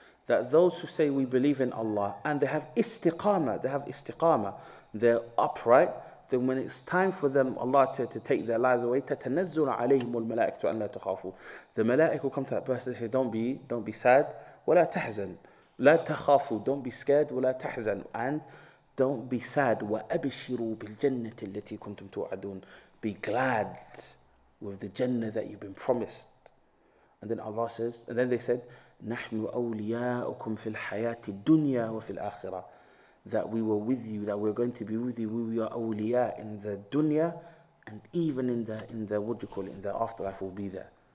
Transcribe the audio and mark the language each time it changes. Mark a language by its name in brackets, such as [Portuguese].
[English] That those who say we believe in Allah and they have istiqamah, they're upright, then when it's time for them, Allah to take their lives away, [Arabic] تَتَنَزُّلَ عَلَيْهِمُ الْمَلَائِكَةُ أَنْ لَا تَخَافُوا. [English] The malaik will come to that person and say, don't be sad, [Arabic] وَلَا تَحْزَنُ. لَا تَخَافُوا, [English] don't be scared, [Arabic] وَلَا تَحْزَنُ. [English] And don't be sad, [Arabic] وَأَبِشِرُوا بِالْجَنَّةِ الَّتِي كُنْتُمْ تُوعَدُونَ. [English] Be glad with the Jannah that you've been promised. And then Allah says, and then they said, [Arabic] نَحْنُ أَوْلِيَاءُكُمْ فِي الْحَيَاةِ الدُّنْيَا وَفِي الْآخِرَةِ. [English] That we were with you, that we're going to be with you, we are awliya in the dunya, and even in the what you call it, in the afterlife will be there.